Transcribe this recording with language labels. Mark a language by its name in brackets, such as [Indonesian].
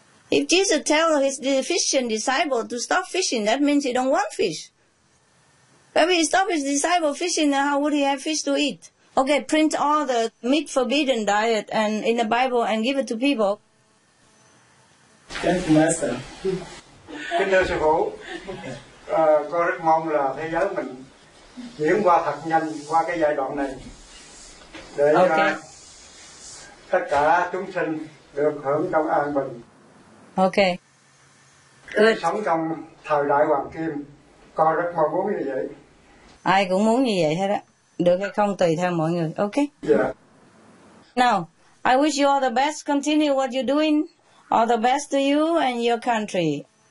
[English] If Jesus tell his fishing disciple to stop fishing, that means he don't want fish. But if he stop his disciple fishing, then how would he have fish to eat? Okay, print all the meat forbidden diet and in the Bible and give it to people. Thank you, Master. [Vietnamese] Kính thưa sư phụ, con rất mong là thế giới mình chuyển qua thật nhanh qua cái giai đoạn này để tất cả chúng sinh được hưởng trong an bình. [English] Okay. Good. [Vietnamese] Sống trong thời đại hoàng kim, con rất mong muốn như vậy. Ai cũng muốn như vậy hết á. Được hay không tùy theo mọi người. [English] Okay. Yeah. Now, I wish you all the best. Continue what you're doing. All the best to you and your country.